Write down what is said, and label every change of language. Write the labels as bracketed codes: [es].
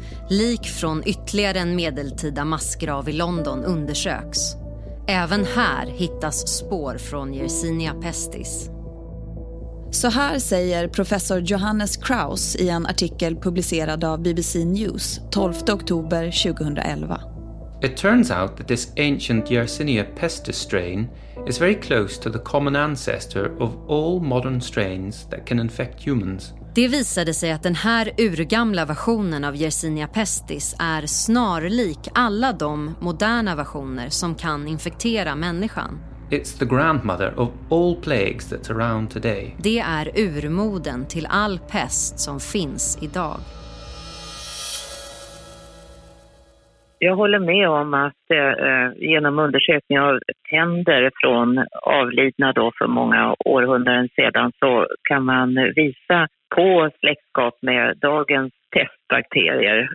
[sv] Lik från ytterligare en medeltida massgrav i London undersöks. Även här hittas spår från Yersinia pestis. Så här säger professor Johannes Kraus i en artikel publicerad av BBC News 12 oktober 2011. [en] It turns out that this ancient Yersinia pestis strain is very close to the common ancestor of all modern strains that can infect humans. [sv] Det visade sig att den här urgamla versionen av Yersinia pestis är snarlik alla de moderna versioner som kan infektera människan. [en] It's the grandmother of all plagues that's around today. [sv] Det är urmoden till all pest som finns idag. Jag håller med om att genom undersökning av tänder från avlidna då för många århundraden sedan så kan man visa på släktskap med dagens testbakterier.